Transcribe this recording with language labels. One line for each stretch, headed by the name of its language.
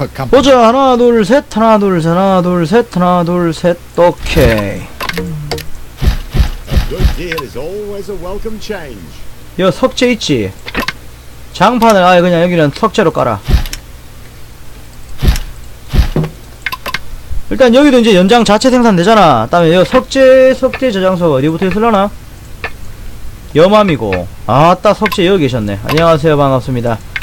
Korean: 보자 하나 둘 셋 하나 둘 셋 하나 둘 셋 하나 둘 셋 오케이.
English: A good deal is always a welcome change.
Korean: 여 석재 있지? 장판을 아예 그냥 여기는 석재로 깔아. 일단 여기도 이제 연장 자체 생산되잖아. 다음에 여기 석재 저장소가 리부트에 쓸려나? 여맘이고. 아따 석재 여기 계셨네. 안녕하세요 반갑습니다.